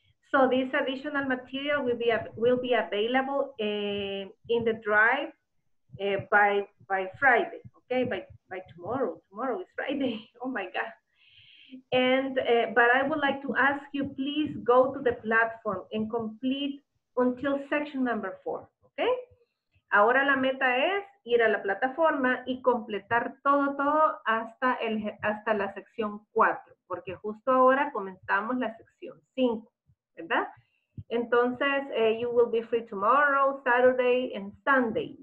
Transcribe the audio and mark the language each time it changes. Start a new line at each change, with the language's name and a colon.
English: So this additional material will be available in the drive by Friday, okay? By tomorrow. Tomorrow is Friday. Oh my God! And but I would like to ask you, please go to the platform and complete until section number 4, okay?
Spanish: Ahora la meta es ir a la plataforma y completar todo hasta la sección 4, porque justo ahora comenzamos la sección 5. ¿Verdad?
English: Entonces, you will be free tomorrow, Saturday, and Sunday.